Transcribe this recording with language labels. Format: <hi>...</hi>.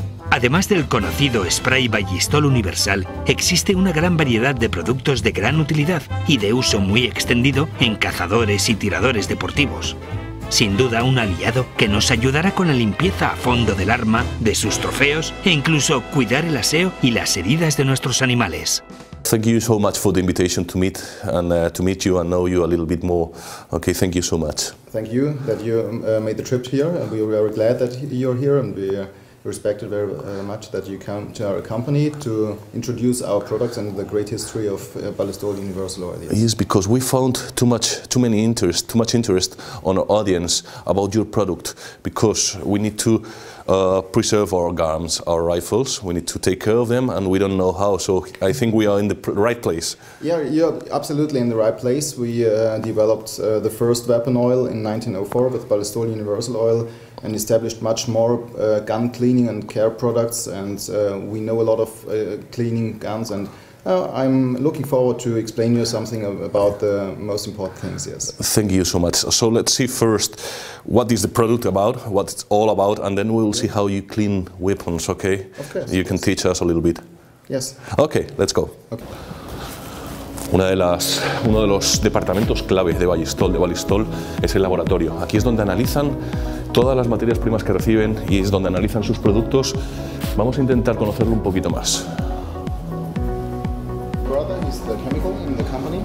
<es>Además del conocido spray Ballistol Universal, existe una gran variedad de productos de gran utilidad y de uso muy extendido en cazadores y tiradores deportivos. Sin duda un aliado que nos ayudará con la limpieza a fondo del arma, de sus trofeos e incluso cuidar el aseo y las heridas de nuestros animales.</es> <en>Thank you so much for the invitation to meet and to meet you and know you a little bit more. Okay, thank you so much. Thank you that you made the trip here and we are very glad that you're here and we respect it very much that you come to our company to introduce our products and the great history of Ballistol Universal Oil. Yes, because we found too much interest on our audience about your product, because we need to preserve our guns, our rifles, we need to take care of them and we don't know how, so I think we are in the right place. Yeah, you're absolutely in the right place. We developed the first weapon oil in 1904 with Ballistol Universal Oil and established much more gun cleaning and care products, and we know a lot of cleaning guns, and I'm looking forward to explain you something about the most important things, yes. Thank you so much. So let's see first what is the product about, what it's all about, and then we'll see how you clean weapons, okay? Okay. You can teach us a little bit. Yes. Okay, let's go. Okay.</en> <es>Uno de los departamentos clave de Ballistol, es el laboratorio. Aquí es donde analizan todas las materias primas que reciben y es donde analizan sus productos. Vamos a intentar conocerlo un poquito más.</es> <en>Brother is the chemical in the company.</en>